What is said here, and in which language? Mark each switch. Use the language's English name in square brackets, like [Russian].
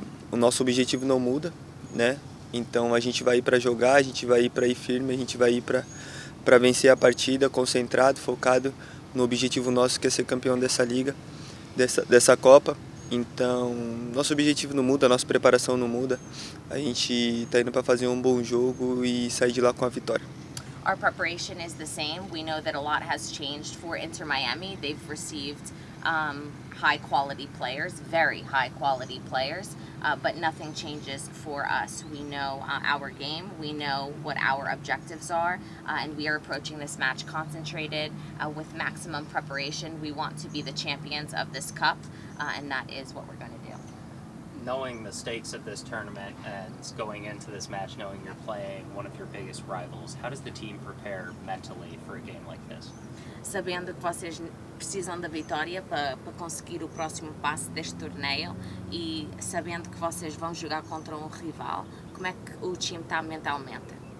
[Portuguese] O nosso objetivo não muda, né? Então a gente vai ir para jogar, a gente vai ir para ir firme, a gente vai ir para vencer a partida, concentrado, focado no objetivo nosso, que é ser campeão dessa liga, dessa Copa. Então, nosso objetivo não muda, nossa preparação não muda. A gente está indo para fazer um bom jogo e sair de lá com a vitória. [English] Our preparation is the same. We know that a lot has changed for Inter Miami. They've received high quality players, very high quality players, but nothing changes for us. We know our game, we know what our objectives are, and we are approaching this match concentrated with maximum preparation. We want to be the champions of this cup, and that is what we're going to do. Knowing the stakes of this tournament and going into this match, knowing you're playing one of your biggest rivals, how does the team prepare mentally for a game like this? [Portuguese] Sabendo que vocês precisam da vitória para conseguir o próximo passo deste torneio e sabendo que vocês vão jogar contra rival, como é que o time está mentalmente?